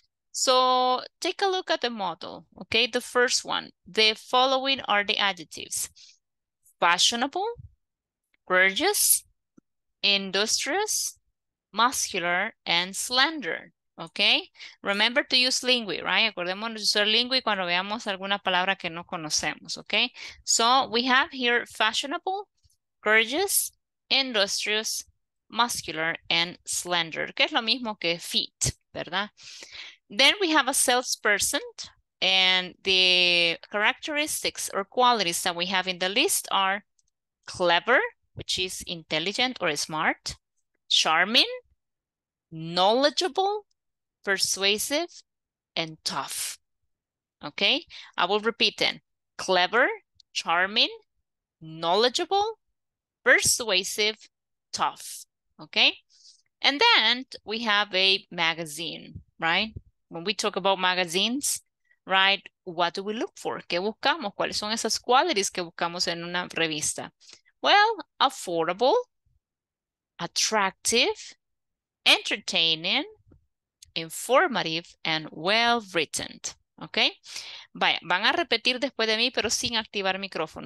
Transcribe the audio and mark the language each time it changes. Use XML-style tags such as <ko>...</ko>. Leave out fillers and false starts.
<en>So take a look at the model, okay? The first one, the following are the adjectives: fashionable, gorgeous, industrious, muscular, and slender, okay? Remember to use lingui, right?</en> <es>Acordémonos de usar lingui cuando veamos alguna palabra que no conocemos, okay?</es> <en>So we have here fashionable, gorgeous, industrious, muscular, and slender,</en> <es>que es lo mismo que</es> <en>fit, ¿verdad? Then we have a salesperson, and the characteristics or qualities that we have in the list are clever, which is intelligent or smart, charming, knowledgeable, persuasive, and tough. Okay, I will repeat then. Clever, charming, knowledgeable, persuasive, tough. Okay, and then we have a magazine, right? When we talk about magazines, right, what do we look for?</en> <es>¿Qué buscamos? ¿Cuáles son esas qualities que buscamos en una revista?</es> <en>Well, affordable, attractive, entertaining, informative, and well-written, okay?</en> <es>Vaya, van a repetir después de mí, pero sin activar micrófono.</es>